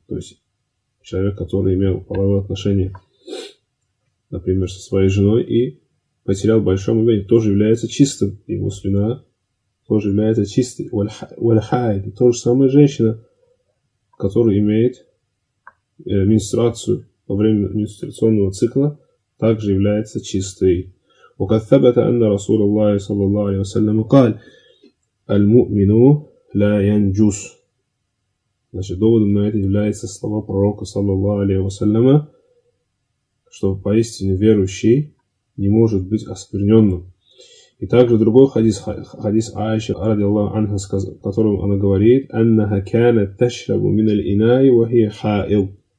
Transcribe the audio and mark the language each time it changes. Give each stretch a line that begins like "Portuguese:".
Russian: То есть, человек, который имел половое отношение, например, со своей женой, и потерял большое омовение, тоже является чистым. Его слюна тоже является чистой.
Arabic: وَالْحَائِدِ.
Russian: То же самое женщина, которая имеет менструацию во время менструационного цикла, также является чистой.
Arabic: وقد ثبت أن رسول الله صلى الله عليه وسلم قال المؤمن لا ينجس.
Russian: Значит, доводом на это является слова пророка
Arabic: صلى الله عليه وسلم,
Russian: что поистине верующий не может быть оскверненным. И также другой хадис Аиши ради Аллаху анха, в котором она говорит:
Arabic: أنها كانت تشرب من الإناء وهي حائض.